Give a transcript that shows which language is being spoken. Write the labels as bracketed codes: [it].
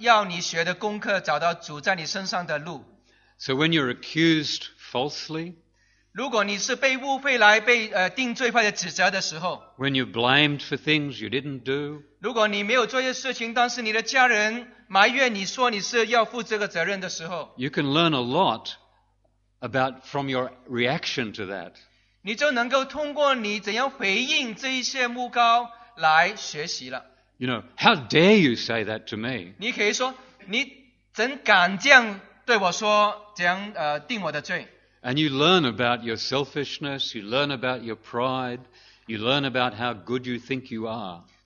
[zh] 因为这个处境真是一个好的机会，在里头找到神要你学的功课，找到主在你身上的路。 [en] So when you're accused falsely, [zh] 如果你是被误会来被定罪或者指责的时候， [en] when you're blamed for things you didn't do, [zh] 如果你没有做些事情，但是你的家人埋怨你说你是要负这个责任的时候， [en] you can learn a lot about from your reaction to that. [zh] 你就能够通过你怎样回应这一些诬告来学习了。 [en] You know, how dare you say that to me? [zh] 你可以说，你怎敢这样对我说，怎样定我的罪？ [en] And you learn about your selfishness, you learn about your pride, you learn about how good you think you are.